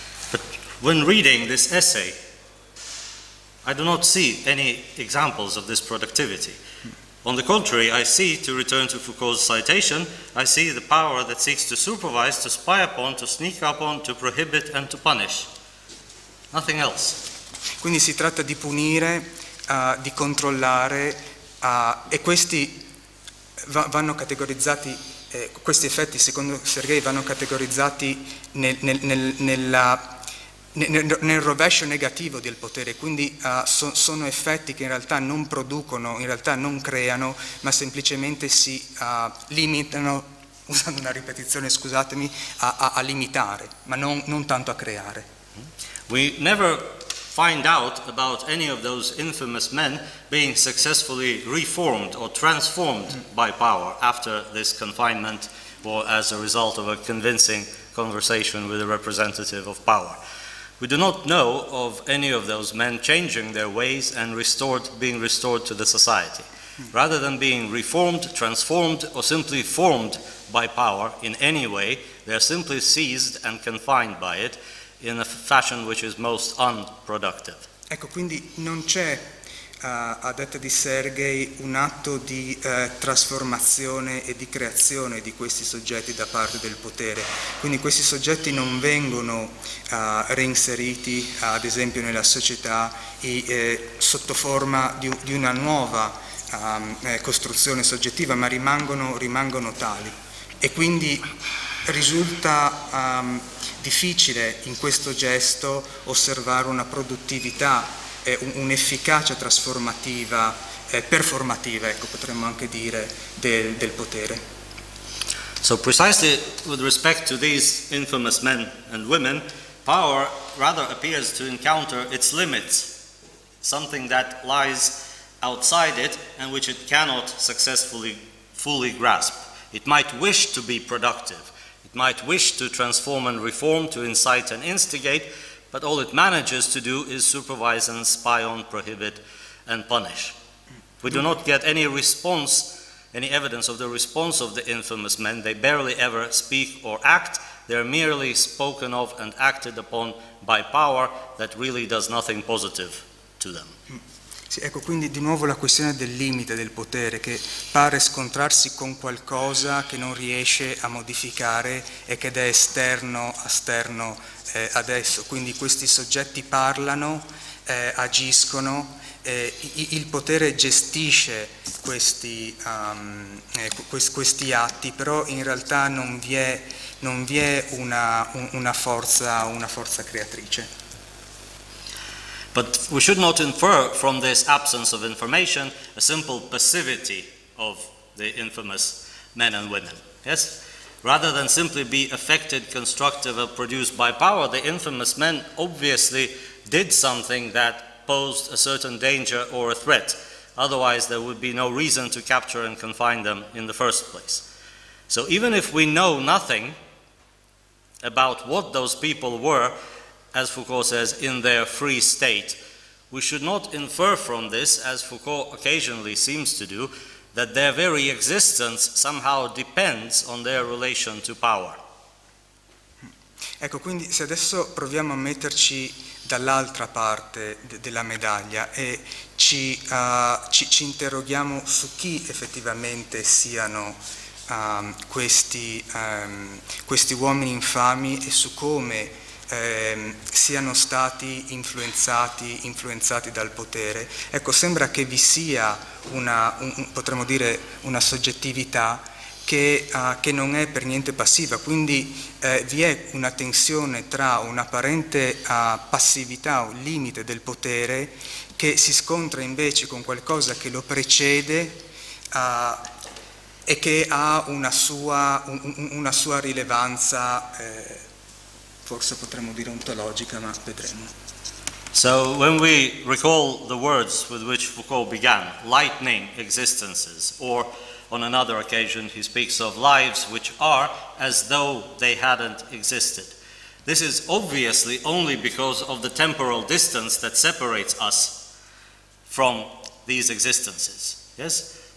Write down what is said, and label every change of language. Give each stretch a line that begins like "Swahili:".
English: But when reading this essay, I do not see any examples of this productivity. On the contrary, I see, to return to Foucault's citation, I see the power that seeks to supervise, to spy upon, to sneak upon, to prohibit and to punish. Nothing else.
Italian: Quindi si tratta di punire, di controllare, e questi vanno categorizzati, questi effetti, secondo Sergei, vanno categorizzati nel rovescio negativo del potere, quindi sono effetti che in realtà non producono, in realtà non creano, ma semplicemente si limitano, usando una ripetizione, scusatemi, a limitare, ma non tanto a creare.
English: We never find out about any of those infamous men being successfully reformed or transformed by power after this confinement or as a result of a convincing conversation with a representative of power. We do not know of any of those men changing their ways and being restored to the society. Rather than being reformed, transformed, or simply formed by power in any way, they are simply seized and confined by it in a fashion which is most unproductive.
Italian: Ecco, quindi non c'è, a detta di Sergei, un atto di trasformazione e di creazione di questi soggetti da parte del potere. Quindi questi soggetti non vengono reinseriti, ad esempio, nella società sotto forma di una nuova costruzione soggettiva, ma rimangono tali. E quindi risulta difficile in questo gesto osservare una produttività, un'efficacia trasformativa, performativa, ecco, potremmo anche dire, del potere.
English: So precisely with respect to these infamous men and women, power rather appears to encounter its limits, something that lies outside it and which it cannot successfully fully grasp. It might wish to be productive, it might wish to transform and reform, to incite and instigate, but all it manages to do is supervise and spy on, prohibit and punish. We do not get any response, any evidence of the response of the infamous men. They barely ever speak or act. They are merely spoken of and acted upon by power that really does nothing positive to them.
Italian: Sì, ecco, quindi di nuovo la questione del limite del potere, che pare scontrarsi con qualcosa che non riesce a modificare e che è esterno adesso. Quindi questi soggetti parlano, agiscono, il potere gestisce questi atti, però in realtà non vi è una forza creatrice.
English: But we should not infer from this absence of information a simple passivity of the infamous men and women. Yes? Rather than simply be affected, constructive, or produced by power, the infamous men obviously did something that posed a certain danger or a threat. Otherwise, there would be no reason to capture and confine them in the first place. So even if we know nothing about what those people were, as Foucault says, in their free state, we should not infer from this, as Foucault occasionally seems to do, that their very existence somehow depends on their relation to power.
Italian: Ecco, quindi se adesso proviamo a metterci dall'altra parte della medaglia e ci interroghiamo su chi effettivamente siano questi uomini infami e su come siano stati influenzati dal potere, ecco, sembra che vi sia potremmo dire una soggettività che non è per niente passiva, quindi vi è una tensione tra un'apparente passività, un limite del potere che si scontra invece con qualcosa che lo precede e che ha una sua rilevanza, forse potremmo dire ontologica, ma vedremo.
English: So when we recall the words with which Foucault began, lightning existences, or on another occasion he speaks of lives which are as though they hadn't existed. This is obviously only because of the temporal distance that separates us from these existences. Yes?